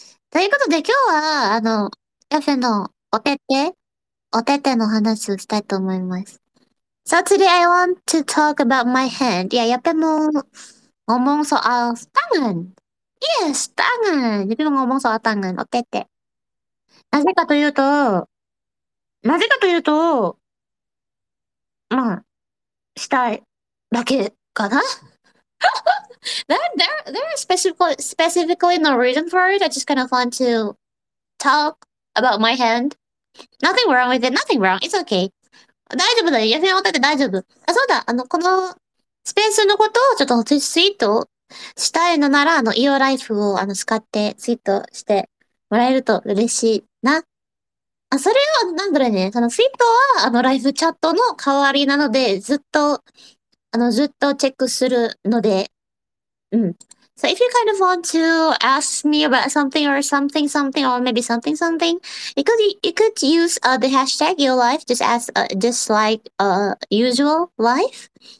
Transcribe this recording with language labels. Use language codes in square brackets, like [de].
[ja] ということで、今日は、ヤフェのおてての話をしたいと思います。 [en] So today I want to talk about my hand. [id] Yeah, ヤフェも、ngomong soal tangan. Yes, tangan. Jadi ngomong soal tangan, [ja] おてて。なぜかというと、したいだけかな？ [en] There is specifically no reason for it. I just kind of want to talk about my hand. Nothing wrong with it. Nothing wrong. It's okay. [ja] 大丈夫だよ。やめようって大丈夫。そうだ。このスペースのことをちょっとツイートしたいのなら、イオライフを使ってツイートしてもらえると嬉しいな。それは、なんだろうね。ツイートは、ライフチャットの代わりなので、ずっとチェックするので。 [en] So if you kind of want to ask me about something or something, something, or maybe something, something, you could use, the hashtag your life, just like usual life.